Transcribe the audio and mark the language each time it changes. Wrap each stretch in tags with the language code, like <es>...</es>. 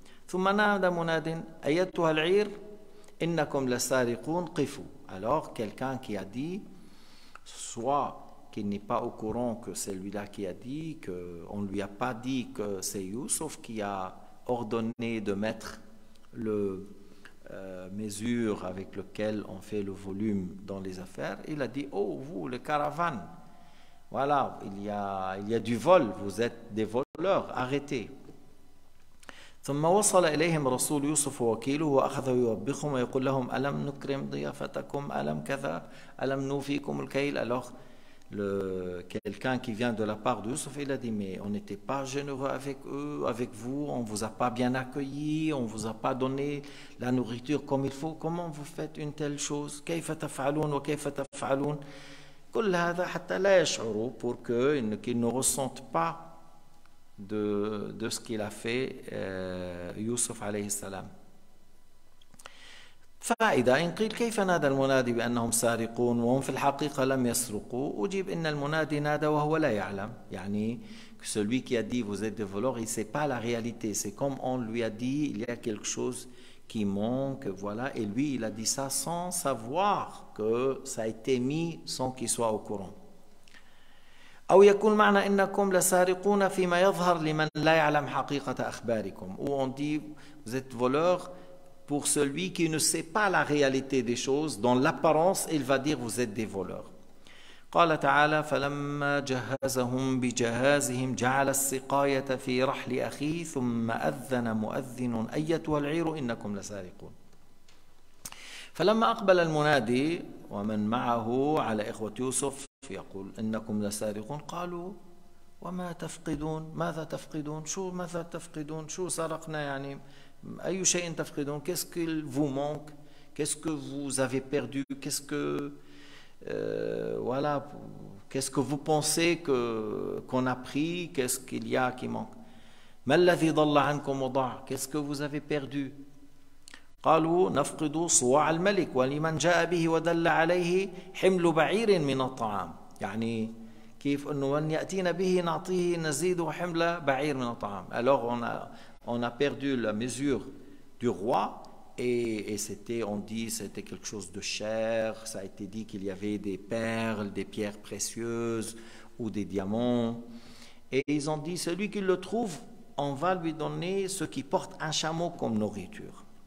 <ar>ثم نادى مناد ايتها العير انكم لسارقون قفوا.</ar> <fr>alors quelqu'un qui a dit soit qu'il n'est pas au courant que c'est lui-là qui a dit, qu'on ne lui a pas dit que c'est Youssef qui a ordonné de mettre le mesure avec lequel on fait le volume dans les affaires. Il a dit, oh vous, les caravanes, voilà, il y a du vol, vous êtes des voleurs, arrêtez.</fr> <ar>ثم وصل إليهم رسول يوسف ووكيله وأخذ يوبخهم ويقول لهم ألم نكرم ضيافتكم ألم كذا ألم نوفيكم الكيل.</ar> <fr>alors quelqu'un qui vient de la part de Youssef, il a dit mais on n'était pas généreux avec eux, avec vous, on ne vous a pas bien accueilli, on ne vous a pas donné la nourriture comme il faut, comment vous faites une telle chose,</fr> <ar>كيف تفعلون وكيف تفعلون كل هذا حتى لا يشعروا,</ar> <fr>pour qu'ils ne ressentent pas de ce qu'il a fait Youssef عليه السلام.</fr> <ar>فائدة إن قيل كيف نادى المنادي بأنهم سارقون وهم في الحقيقة لم يسرقوا أجيب إن المنادي نادى وهو لا يعلم يعني</ar> <fr>celui qui a dit vous êtes des voleurs il sait pas la réalité, c'est comme on lui a dit il y a quelque chose qui manque voilà, et lui il a dit ça sans savoir que ça a été mis sans qu'il soit au courant.</fr> <ar>أو يكون معنى إنكم لسارقون فيما يظهر لمن لا يعلم حقيقة أخباركم.</ar> <fr>Ou on dit vous êtes voleurs pour celui qui ne sait pas la réalité des choses, dans l'apparence, il va dire vous êtes des voleurs.</fr> <ar>قال تعالى فلما جهزهم بجهازهم جعل السقاية في رحل أخيه ثم أذن مؤذن أيتها العير إنكم لسارقون. فلما أقبل المنادي ومن معه على إخوة يوسف يقول إنكم لسارقون قالوا وما تفقدون ماذا تفقدون شو ماذا تفقدون شو سرقنا يعني أي شيء تفقدون</ar> <fr>qu'est-ce qu'il vous manque qu'est-ce que vous avez perdu qu'est-ce que voilà qu'est-ce que vous pensez que qu'on a pris qu'est-ce qu'il y a qui manque</fr> <ar>ما الذي ضل عنكم وضاع</ar> <fr>qu'est-ce que vous avez perdu.</fr> <ar>قالوا نفقد صواع الملك ولمن جاء به ودل عليه حمل بعير من الطعام يعني كيف انه من ياتينا به نعطيه نزيد حمل بعير من الطعام.</ar> <fr>alors on a perdu la mesure du roi et c'était quelque chose de cher, ça a été dit qu'il y avait des perles, des pierres précieuses ou des diamants et ils ont dit celui qui le trouve on va lui donner ce qui porte un chameau comme nourriture.</fr>